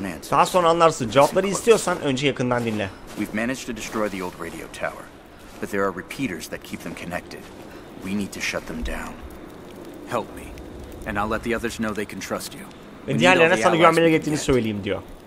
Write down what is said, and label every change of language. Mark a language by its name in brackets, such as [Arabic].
[Turkish] Daha sonra anlarsın. Cevapları istiyorsan önce yakından dinle. [English] We've managed to destroy the old radio tower. but there are repeaters that keep them connected. We need to shut them down. Help me, and I'll let the others know they can trust you. [Turkish] Ve diğerlerine sana güvenmeye gittiğini söyleyeyim diyor.